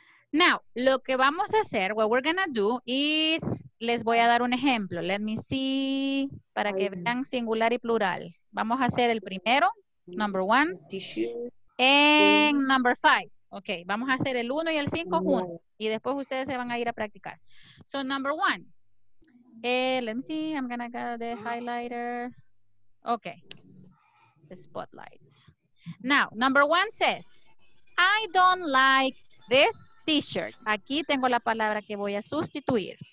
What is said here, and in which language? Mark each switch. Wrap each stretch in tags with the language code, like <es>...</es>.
<en>Now,</en> <es>lo que vamos a hacer,</es> <en>what we're going to do is,</en> <es>les voy a dar un ejemplo.</es> <en>Let me see,</en> <es>para que vean singular y plural. Vamos a hacer el primero,</es> <en>number one, and number five.</en> <es>Okay, vamos a hacer el uno y el cinco juntos, y después ustedes se van a ir a practicar.</es> <en>So, number one, let me see, I'm going to get the highlighter. Okay, the spotlight. Now, number one says, I don't like this T-shirt.</en> <es>Aquí tengo la palabra que voy a sustituir.</es>